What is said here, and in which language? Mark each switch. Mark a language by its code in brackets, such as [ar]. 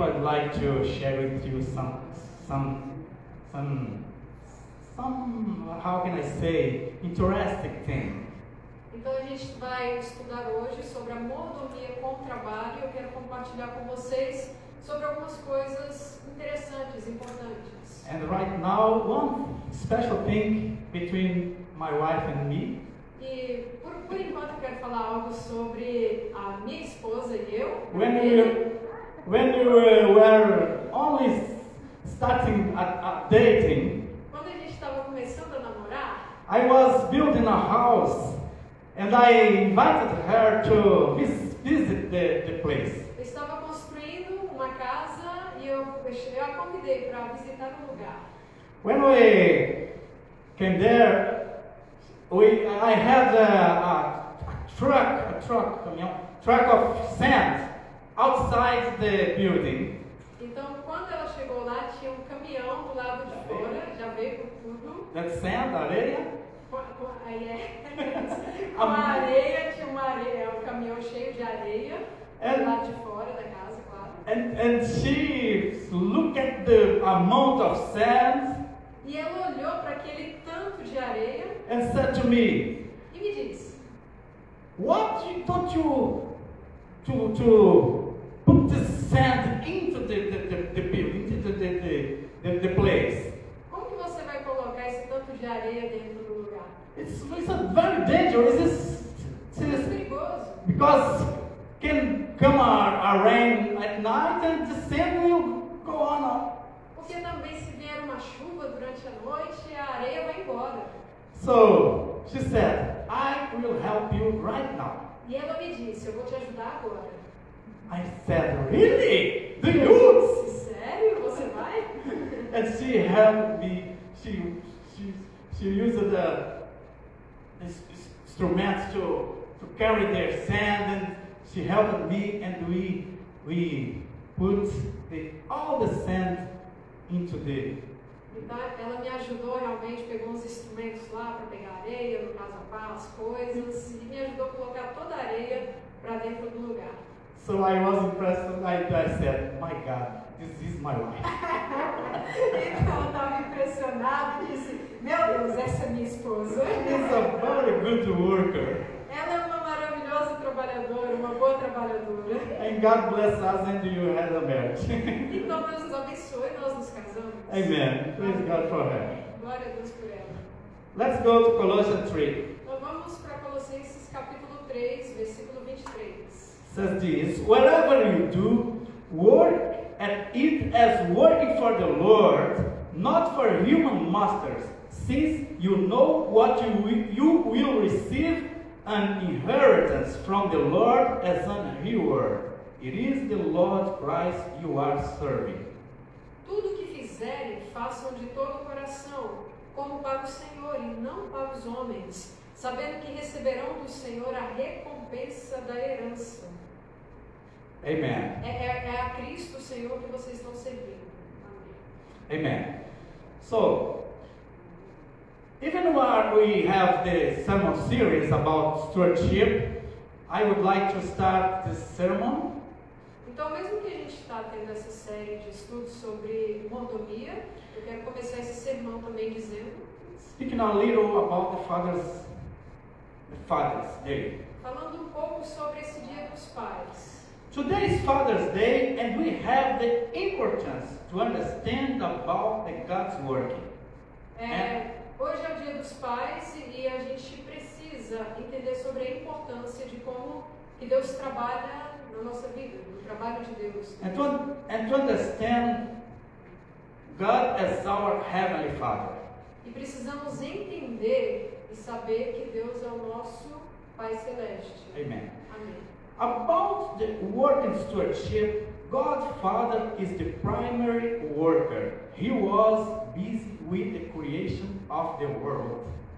[en] I'd like to share with you some, how can I say, interesting thing. [pt] Então a gente vai estudar hoje sobre a mordomia com o trabalho. Eu quero compartilhar com vocês sobre algumas coisas interessantes, importantes. [en] And right now, one special thing between my wife and me. [pt] E por enquanto eu quero falar algo sobre a minha esposa e eu. [en] When we were only starting dating, [pt] começando a namorar, [en] I was building a house and I invited her to visit the place. [pt] Eu estava construindo uma casa e eu a convidei para visitar o lugar. [en] When we came there, I had a truck of sand outside the building. [pt] Então, quando ela chegou lá, tinha caminhão do lado de fora, já veio com tudo. [en] That sand, areia? [pt] areia, tinha areia, caminhão cheio de areia, do lado de fora da casa, claro. [en] And she looked at the amount of sand. [pt] E ela olhou para aquele tanto de areia. [en] And said to me. [pt] E me disse. [en] What don't you to put the sand into the building, into the place? [pt] Como que você vai colocar esse tanto de areia dentro do lugar? [en] It's very dangerous. It's [pt] perigoso. [en] Because can come a rain at night and the sand will go on. [pt] Porque também se vier uma chuva durante a noite, a areia vai embora. [en] So she said, I will help you right now. [pt] E ela me disse, eu vou te ajudar agora. [en] I said, really? Do you? [pt] Sério? Você vai? [en] And she helped me. She used the instruments to carry their sand, and she helped me, and we put all the sand into the. [pt] Então, ela me ajudou realmente, pegou uns instrumentos lá para pegar areia, no caso a pá, as coisas, e me ajudou a colocar toda a areia para dentro do lugar. [en] So I was impressed, I said, my God, this is my life. [pt] Então, eu estava impressionado e disse, meu Deus, essa é minha esposa. [en] She's a very good worker. [pt] Ela é uma maravilhosa trabalhadora, uma boa trabalhadora. [en] And God bless us and you had a marriage. [pt] Então, Deus nos abençoe, nós nos casamos. [en] Amen. Praise God for her. [pt] Glória a Deus por ela. [en] Let's go to Colossians 3. [pt] Então vamos para Colossenses capítulo 3, versículo 23. [en] Says this, whatever you do, work at it as working for the Lord, not for human masters, since you know what you will receive an inheritance from the Lord as a reward. It is the Lord Christ you are serving. [pt] Tudo que fizerem, façam de todo o coração, como para o Senhor e não para os homens, sabendo que receberão do Senhor a recompensa da herança. [en] Amen. [pt] É a Cristo, Senhor, que vocês estão servindo. Amém. Amen. [en] So, even while we have the sermon series about stewardship, I would like to start this sermon. [pt] Então, mesmo que a gente está tendo essa série de estudos sobre mordomia, eu quero começar esse sermão também dizendo. [en] Speaking a little about the Father's Day. [pt] Falando um pouco sobre esse dia dos pais. [en] Today is Father's Day, and we have the importance to understand about the God's working. [pt] Hoje é o dia dos pais e a gente precisa entender sobre a importância de como que Deus trabalha na nossa vida, no trabalho de Deus. [en] And to understand God as our Heavenly Father. [pt] E precisamos entender e saber que Deus é o nosso Pai Celeste. [en] Amen. [pt] Amém. [en] About the work in stewardship, God Father is the primary worker. He was busy with the creation of the world.